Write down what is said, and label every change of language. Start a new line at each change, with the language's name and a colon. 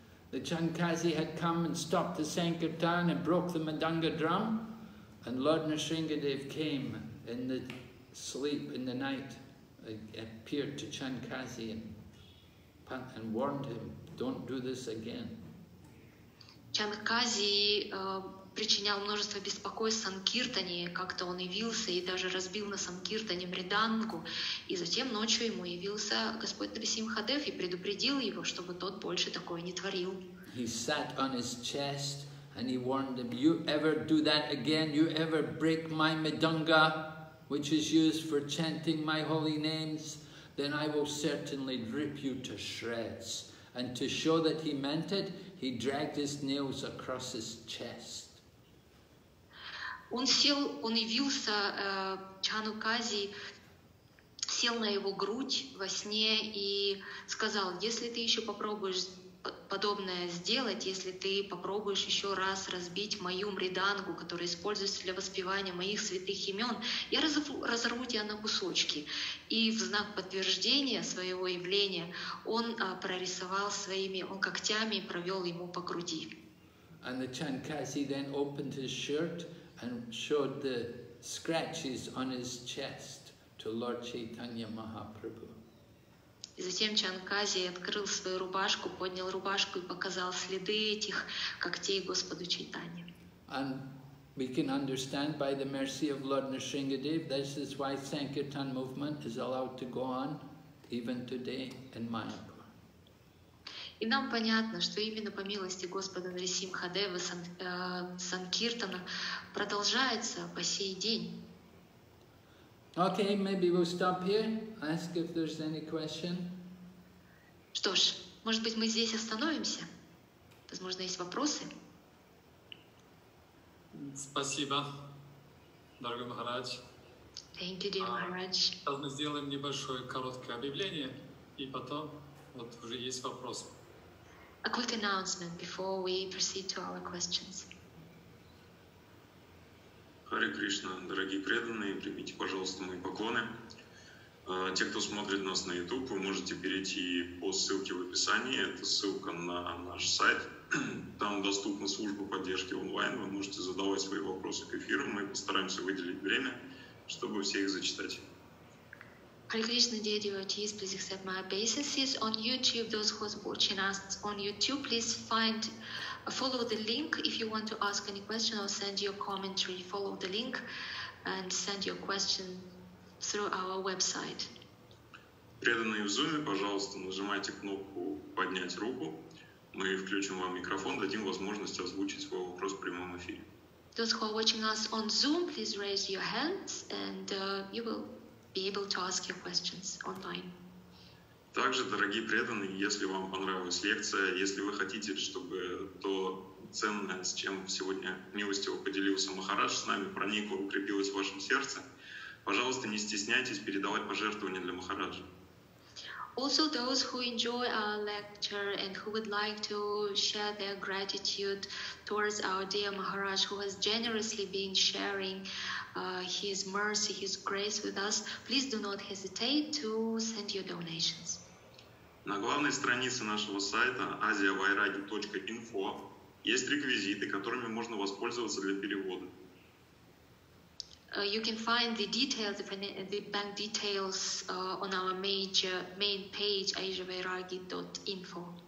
English: The Chankasi had come and stopped the Sankirtan and broke the Madanga drum. And Lord Nrisimhadev came in the sleep, in the night, appeared to Chankasi and warned him, don't do this again.
Russian: Чанкази причинял множество беспокойств Санкиртане, как-то он явился и даже разбил на Санкиртане мридангу, и затем ночью ему явился Господь Нрисимхадев и предупредил его, чтобы тот больше такое не творил.
English: He sat on his chest. And he warned him, you ever do that again, you ever break my Madanga, which is used for chanting my holy names, then I will certainly rip you to shreds. And to show that he meant it, he dragged his nails across his chest.
Russian: Он сел, он явился Чанкази, сел на его грудь во сне и сказал, если ты еще попробуешь подобное сделать, если ты попробуешь еще раз разбить мою мридангу, которая используется для воспевания моих святых имен, я разорву тебя на кусочки. И в знак подтверждения своего явления он прорисовал своими когтями и провел ему по груди.
English: And the Chankasi then opened his shirt and showed the scratches on his chest to Lord Chaitanya Mahaprabhu.
Russian: И затем Чанкази открыл свою рубашку, поднял рубашку и показал следы этих когтей Господу Чайтани.
English: And we can understand by the mercy of Lord Nrisimhadev, this is why Sankirtan movement is allowed to go on even today in Mayapur.
Russian: И нам понятно, что именно по милости Господа Нрисимхадева Санкиртана продолжается по сей день.
English: Okay, maybe we'll stop here. Ask if there's any question.
Russian: Что ж, Может быть, мы здесь остановимся? Возможно, есть вопросы? Спасибо, дорогой Махарадж.
English: Thank you, dear Maharaj.
Russian: Сейчас мы сделаем небольшое короткое объявление, и потом вот уже есть вопросы.
English: A quick announcement before we proceed to our questions.
Russian: Харе Кришна, дорогие преданные, примите, пожалуйста, мои поклоны. Те, кто смотрит нас на YouTube, вы можете перейти по ссылке в описании. Это ссылка на наш сайт. Там доступна служба поддержки онлайн. Вы можете задавать свои вопросы к эфиру. Мы постараемся выделить время, чтобы все их зачитать.
English: Hare Krishna, dear devotees, please accept my obeisances on YouTube. Those who are watching us on YouTube, please find, follow the link if you want to ask any question or send your commentary. Follow the link and send your question through our website.
Russian: Преданные в Zoom, пожалуйста, нажимайте кнопку «Поднять руку». Мы включим вам микрофон, дадим возможность озвучить свой вопрос в прямом эфире.
English: Those who are watching us on Zoom, please raise your hands and you will be able to ask your questions online.
Russian: Также, дорогие преданные, если вам понравилась лекция, если вы хотите, чтобы то ценное, с чем сегодня милостиво поделился Махарадж с нами, проникло, укрепилось в вашем сердце, пожалуйста, не стесняйтесь передавать пожертвования для Махараджа.
English: Also, those who enjoy our lecture and who would like to share their gratitude towards our dear Maharaj, who has generously been sharing his mercy, his grace with us, please do not hesitate to send your donations.
Russian: На главной странице нашего сайта asiavairagi.info есть реквизиты, которыми можно воспользоваться для перевода.
English: You can find the details, the bank details on our main page, asiavairagi.info.